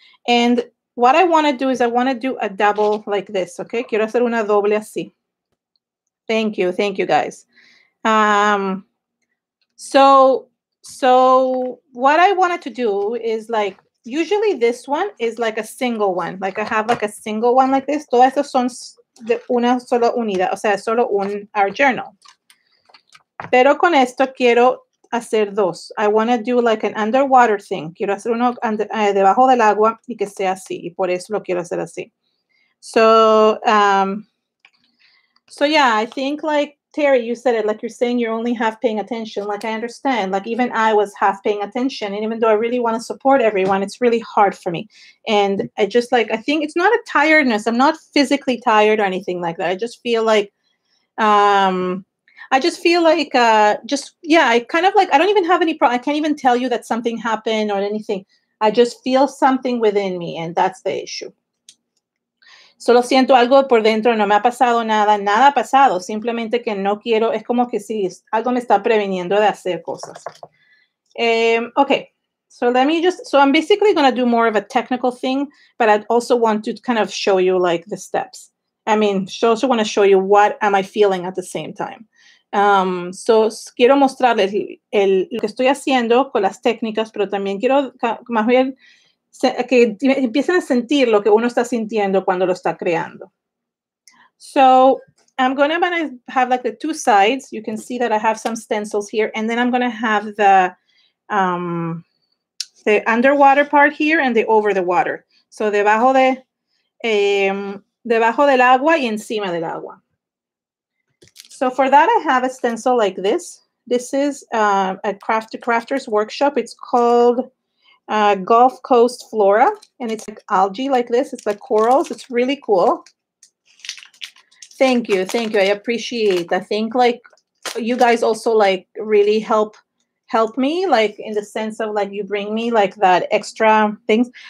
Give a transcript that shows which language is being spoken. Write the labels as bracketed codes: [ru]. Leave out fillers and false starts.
[en] And what I want to do is I want to do a double like this, okay? [es] Quiero hacer una doble así. [en] Thank you guys. So what I wanted to do is like, usually this one is like a single one. Like I have like a single one like this. [es] Todas estas son de una sola unidad, o sea, solo un art journal. Pero con esto quiero hacer dos. [en] I want to do like an underwater thing. [es] Quiero hacer uno debajo del agua y que sea así. Y por eso lo quiero hacer así. [en] So yeah, I think like Terry, you said it, like you're saying you're only half paying attention. Like I understand, like even I was half paying attention. And even though I really want to support everyone, it's really hard for me. And I just like, I think it's not a tiredness. I'm not physically tired or anything like that. I kind of like, I don't even have any problem. I can't even tell you that something happened or anything. I just feel something within me, and that's the issue. [es] Solo siento algo por dentro. No me ha pasado nada. Nada ha pasado. Simplemente que no quiero. Es como que sí, algo me está previniendo de hacer cosas. [en] Okay. So I'm basically going to do more of a technical thing, but I also want to kind of show you like the steps. I mean, I also want to show you what am I feeling at the same time. [es] So quiero mostrarles lo que estoy haciendo con las técnicas, pero también quiero más bien que empiecen a sentir lo que uno está sintiendo cuando lo está creando. [en] So I'm going to have like the two sides. You can see that I have some stencils here, and then I'm going to have the underwater part here and the over the water. [es] So debajo del agua y encima del agua. [en] So for that, I have a stencil like this. This is a crafter's workshop. It's called Gulf Coast Flora, and it's like algae like this. It's like corals. It's really cool. Thank you. Thank you. I appreciate it. I think like you guys also like really help me, like in the sense of like you bring me like that extra things.